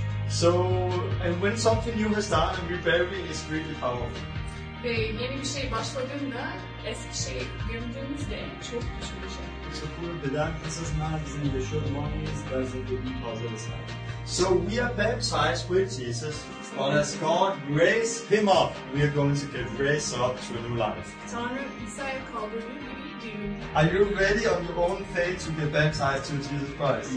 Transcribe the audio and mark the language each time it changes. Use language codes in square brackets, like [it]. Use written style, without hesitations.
[en] So, and when something new has started and we bury it, it's really powerful. [tr] Ve yeni bir şey başladığında, eski şey gömdüğümüzde çok güçlü bir şey. [en] So, for the darkness now is in the short moments, that's a good positive. So, we are baptized with Jesus, but as God raised him up, we are going to get raised up to new life. [tr] Tanrı İsa'ya kaldırdı. [en] Are you ready on your own faith to be baptized to Jesus Christ?